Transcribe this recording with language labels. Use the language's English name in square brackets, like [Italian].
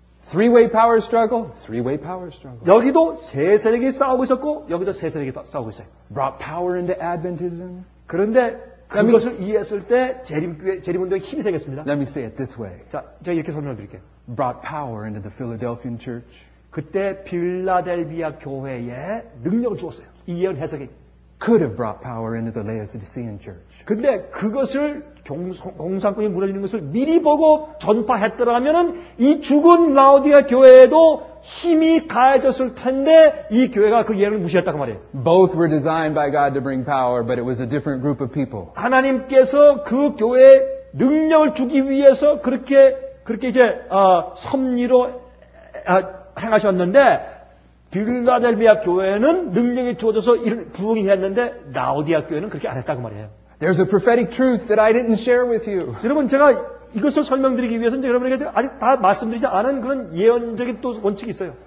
[English] Three-way power struggle. Three-way power struggle. [Korean] 여기도 세 세력이 싸우고 있었고 여기도 세 세력이 싸우고 있어요. [English] Brought power into Adventism. [Korean] 그런데 그것을 이해했을 때 재림운동에 힘이 생겼습니다. [English] Let me say it this way. [Korean] 자, 제가 이렇게 설명을 드릴게요. [English] Brought power into the Philadelphian Church. [Korean] 그때 필라델비아 교회에 능력을 주었어요. 이 예언 해석이. [English] Could have brought power into the Laodicean Church. [Korean] 근데 그것을 공산권이 무너지는 것을 미리 보고 전파했더라면은 이 죽은 라오디아 교회에도 힘이 가해졌을 텐데 이 교회가 그 예언을 무시했다고 말해요. [English] Both were designed by God to bring power, but it was a different group of people. [Korean] 하나님께서 그 교회에 능력을 주기 위해서 그렇게 이제 섭리로 행하셨는데. 빌라델비아 교회는 능력이 주어져서 이런 부흥이 했는데 라오디아 교회는 그렇게 안 했다고 말해요. [English] There's a prophetic truth that I didn't share with you. [Korean] 여러분 제가 이것을 설명드리기 위해서는 여러분에게 아직 다 말씀드리지 않은 그런 예언적인 또 원칙이 있어요.